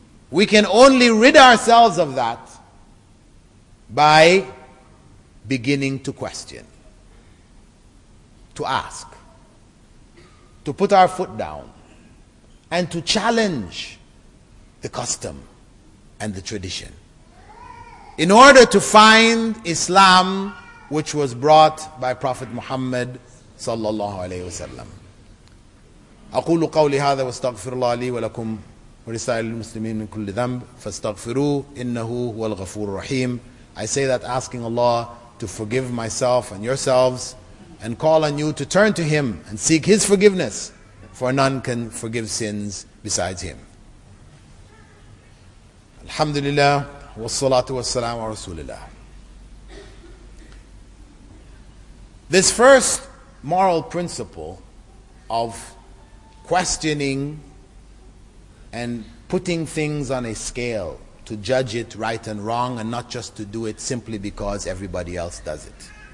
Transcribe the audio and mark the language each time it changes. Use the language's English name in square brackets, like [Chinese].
[English] We can only rid ourselves of that by beginning to question, to ask, to put our foot down, and to challenge the custom and the tradition in order to find Islam which was brought by Prophet Muhammad sallallahu alaihi wasallam. [Arabic] أقول قولي هذا واستغفر الله لي ولكم ورسائل المسلمين من كل ذنب فاستغفروه إنه هو الغفور الرحيم. [English] I say that asking Allah to forgive myself and yourselves and call on you to turn to him and seek his forgiveness, for none can forgive sins besides him. [Arabic] Alhamdulillah, wa salatu wa salam wa rasulillah. [English] This first moral principle of questioning and putting things on a scale to judge it right and wrong, and not just to do it simply because everybody else does it.